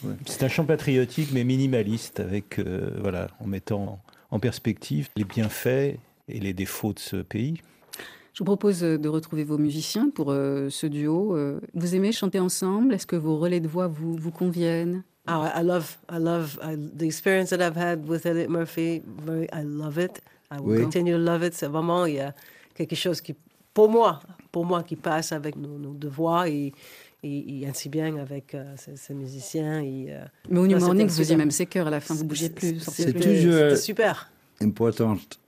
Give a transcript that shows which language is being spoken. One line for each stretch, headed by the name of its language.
French: C'est un chant patriotique, mais minimaliste, avec en mettant en perspective les bienfaits et les défauts de ce pays. Je vous propose de retrouver vos musiciens pour ce duo. Vous aimez chanter ensemble? Est-ce que vos relais de voix vous conviennent?
English: Oh, I love the experience that I've had with Elliot Murphy. I love it. I will continue to love it.
French: C'est vraiment, il y a quelque chose qui, pour moi, qui passe avec nos deux voix et ainsi bien avec ces musiciens. Mais au New Morning, vous faisiez même ses chœurs à la fin. Vous bougez plus. C'est toujours super. Important.